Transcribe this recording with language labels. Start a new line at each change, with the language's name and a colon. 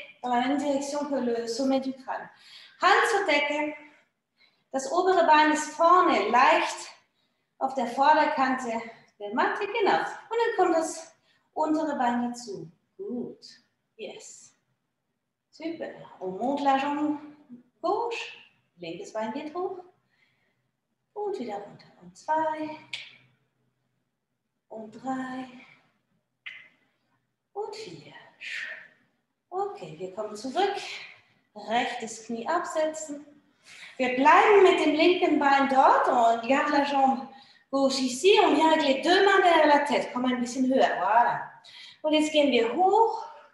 French: dans la même direction que le sommet du crâne.
German: Hand zur Decke. Das obere Bein ist vorne leicht auf der Vorderkante der Matte. Genau. Und dann kommt das untere Bein dazu.
French: Gut. Yes. Super. On monte la jambe gauche.
German: Linkes Bein geht hoch. Und wieder runter. Und zwei. Und drei. Und vier. Okay, wir kommen zurück. Rechtes Knie absetzen. Wir bleiben mit dem linken Bein dort.
French: Und garde la jambe gauche ici.
German: Und wir haben
French: les deux mains derrière la tête.
German: Komm ein bisschen höher. Voilà. Und jetzt gehen wir hoch.